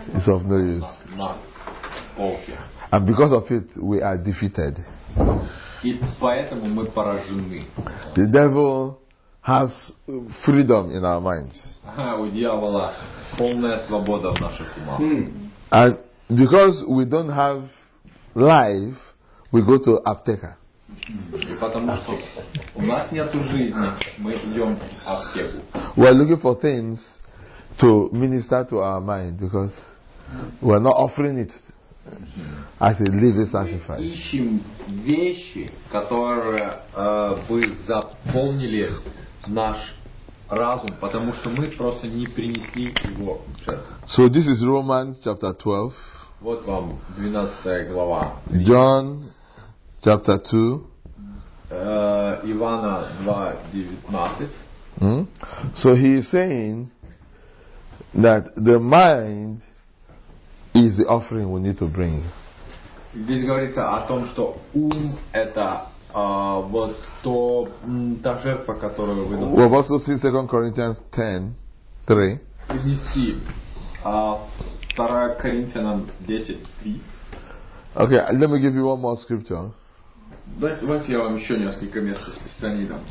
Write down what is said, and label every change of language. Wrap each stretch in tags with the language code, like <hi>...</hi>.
<en>It's of no use.</en> <ru>На полке.</ru> <en>And because of it, we are defeated.</en> <ru>И поэтому мы поражены.</ru> <en>The devil has freedom in our minds.</en> <ru>У дьявола полная свобода в наших умах.</ru> <en>And because we don't have life, we go to аптека.</en> <ru>И потому что у нас нет жизни, мы идем в аптеку.</ru> <en>We are looking for things to minister to our mind because we are not offering it as a living sacrifice.</en> <ru>Мы ищем вещи, которые бы заполнили наш разум, потому что мы просто не принесли его.</ru> <en>So this is Romans chapter 12.</en> <ru>Вот вам 12 глава.</ru> <en>John chapter 2.</en> <ru>Ивана 2:19.</ru> <en>So he is saying that the mind is the offering we need to bring.</en> <ru>Здесь говорится о том, что ум это вот то та жертва, которую вы должны.</ru> <en>We've also seen 2 Corinthians 10:3.</en> <ru>Внести 2 Corinthians 10:3.</ru> <en>Okay, let me give you one more scripture.</en> <ru>Давайте я вам еще несколько мест из Писаний дам.</ru>